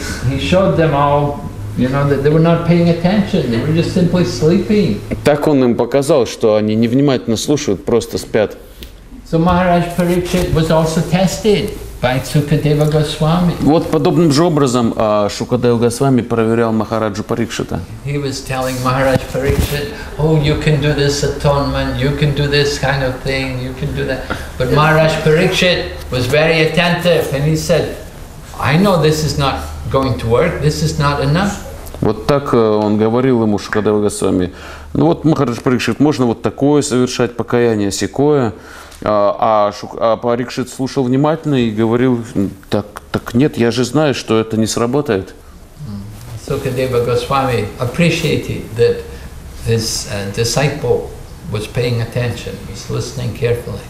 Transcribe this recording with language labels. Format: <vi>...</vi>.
<en>He showed them all, that they were not paying attention. They were just simply sleeping.</en> <ru>Так он им показал, что они невнимательно слушают, просто спят.</ru> <en>So Maharaj Parikshit was also tested by Sukadeva Goswami.</en> <ru>Вот подобным же образом Шукадева Госвами проверял Махараджу Парикшита.</ru> <en>He was telling Maharaj Parikshit, you can do this atonement, you can do this kind of thing, you can do that. But Maharaj Parikshit was very attentive and he said, I know this is not going to work, this is not enough.</en> <ru>Вот так он говорил ему, Шукадева Госвами. Вот Махарадж Парикшит, можно вот такое совершать покаяние, сякое. А Парикшит слушал внимательно и говорил: так нет, я же знаю, что это не сработает.</ru> <en>Sukadeva Goswami appreciated that his disciple was paying attention, was listening carefully.</en>